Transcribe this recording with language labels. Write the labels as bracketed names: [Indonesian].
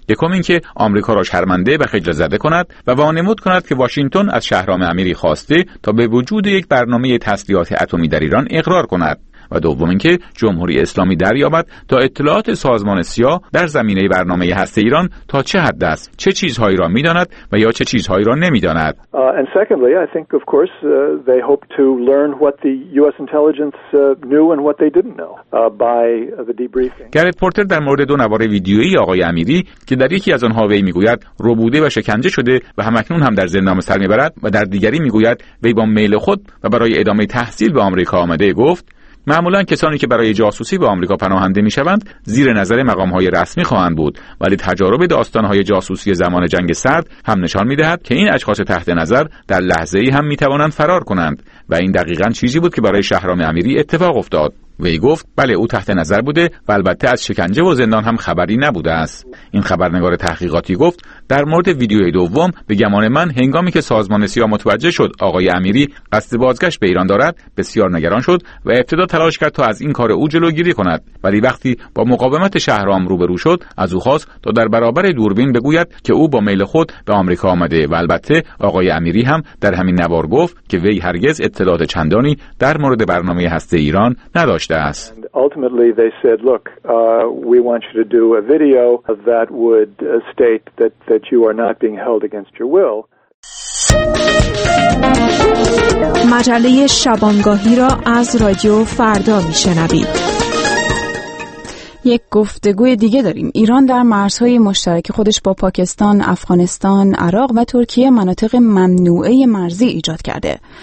[Persian] یکم اینکه آمریکا را شرمنده و خجل زده کند و وانمود کند که واشنگتن از شهرام امیری خواسته تا به وجود یک برنامه تسلیحات اتمی در ایران اقرار کند. و دوم اینکه جمهوری اسلامی دریابد تا اطلاعات سازمان سیا در زمینه برنامه هسته ایران تا چه حد است، چه چیزهایی را می‌داند و یا چه چیزهایی را نمی‌داند. [English] And secondly, I think of course they hope to learn what the US intelligence knew and what they didn't know by the debriefing. [Persian] گرت پورتر در مورد دو نوار ویدیویی آقای امیری که در یکی از آنها وی می‌گوید ربوده و شکنجه شده و همکنون هم در زندان سر می‌برد و در دیگری می‌گوید وی با میل خود و برای ادامه تحصیل به آمریکا آمده گفت معمولا کسانی که برای جاسوسی به آمریکا پناهنده می شوند زیر نظر مقام های رسمی خواهند بود، ولی تجارب داستان های جاسوسی زمان جنگ سرد هم نشان می دهد که این اشخاص تحت نظر در لحظه ای هم می توانند فرار کنند و این دقیقا چیزی بود که برای شهرام امیری اتفاق افتاد. وی گفت بله او تحت نظر بوده و البته از شکنجه و زندان هم خبری نبوده است. این خبرنگار تحقیقاتی گفت در مورد ویدیوی دوم به گمان من هنگامی که سازمان سیا متوجه شد آقای امیری قصد بازگشت به ایران دارد بسیار نگران شد و ابتدا تلاش کرد تا از این کار او جلوگیری کند، ولی وقتی با مقاومت شهرام روبرو شد از او خواست تا در برابر دوربین بگوید که او با میل خود به آمریکا آمده و البته آقای امیری هم در همین نوار گفت که وی هرگز اطلاعات چندانی در مورد برنامه هسته ایران نداشت. [English] And ultimately they said, look, we want you to do a video that would state that you are not being held against your will. [Persian] مجله شبانگاهی را از رادیو فردا می شنوید. یک گفتگوی دیگه داریم. ایران در مرزهای مشترک خودش با پاکستان، افغانستان، عراق و ترکیه مناطق ممنوعه مرزی ایجاد کرده.